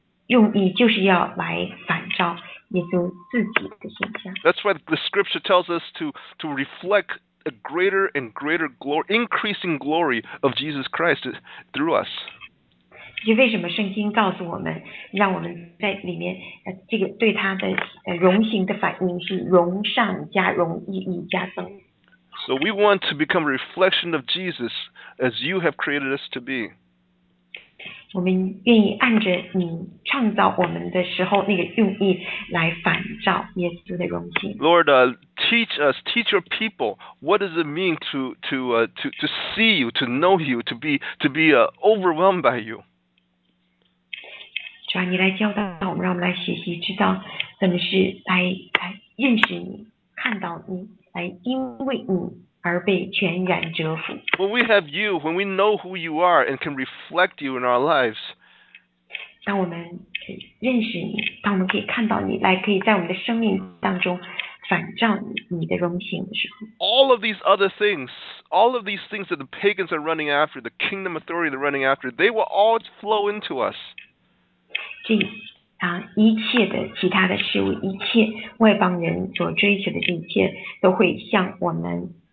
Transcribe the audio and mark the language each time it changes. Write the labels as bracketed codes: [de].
[zh] 用意就是要来反照耶稣自己的形象。 [en] That's why the scripture tells us to reflect a greater and greater glory, increasing glory of Jesus Christ through us. [zh] 就为什么圣经告诉我们，让我们在里面这个对他的荣形的反应是荣上加荣，意义加增。 [en] So we want to become a reflection of Jesus as you have created us to be. [zh] 我们愿意按着你创造我们的时候那个用意来反照耶稣的荣耀。 [en] Lord, teach us, teach your people, what does it mean to see you, to know you, to be overwhelmed by you? [zh] 主啊，你来教导我们，让我们来学习知道怎么是来认识你，看到你，来因为你。 [en] When we have you, when we know who you are and can reflect you in our lives, [zh] 当我们可以认识你，当我们可以看到你，来可以在我们的生命当中反照你的荣形的时候， [en] all of these other things, all of these things that the pagans are running after, the kingdom authority they're running after, they will all flow into us. [zh] 这一切的其他的事物，一切外邦人所追求的这一切，都会向我们。